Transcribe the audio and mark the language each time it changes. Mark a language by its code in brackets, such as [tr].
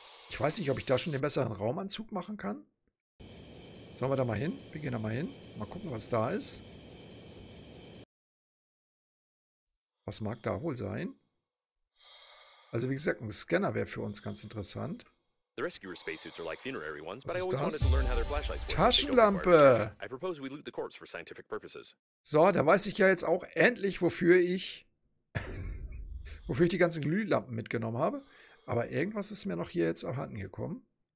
[de] Ich weiß nicht, ob ich da schon den besseren Raumanzug machen kann. Sollen wir da mal hin? Wir gehen da mal hin. Mal gucken, was da ist. Was mag da wohl sein? Also wie gesagt, ein Scanner wäre für uns ganz interessant. [en] The Rescuer Spacesuits are like funerary ones, but I always wanted to learn how their flashlights work. [de] Taschenlampe! [en] I propose we loot the corpse for scientific purposes. [de] So, da weiß ich ja jetzt auch endlich, wofür ich die ganzen Glühlampen mitgenommen habe. Aber irgendwas ist mir noch hier jetzt abhanden gekommen.